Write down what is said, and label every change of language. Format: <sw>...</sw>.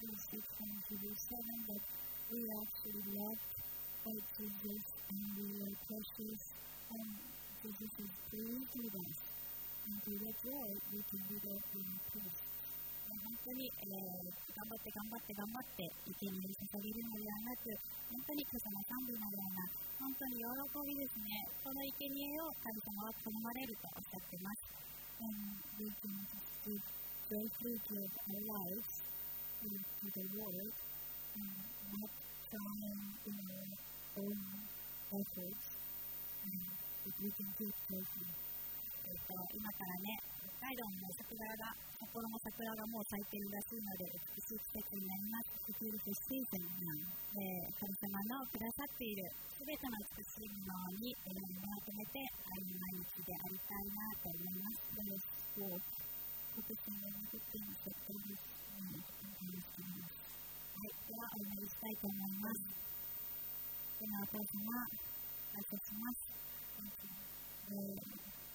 <en>Please speak from Hebrews 7 that we are actually loved. By Jesus, and we are precious, and Jesus is pleased with us. And through that joy, we can be there for our peace.</en> <ja>本当に、頑張って、生きるに捧げるのではなく、本当に神様の賛美のような、本当に喜びですね。この生贄を神様は好まれるとおっしゃっています。</ja> <en>And we can just give joyfully to our lives, to the world, and not try and, you know,own efforts, but we can do it carefully.</en> <ja>神様のくださっている全ての美しいものに目を当てて、愛の毎日でありたいなと思います。</ja> <en>Let us walk. Focusing on the things that God has made and God has given us.</en> <ja>はい、ではお祈りしたいと思います。今、お父様、感謝します。</ja>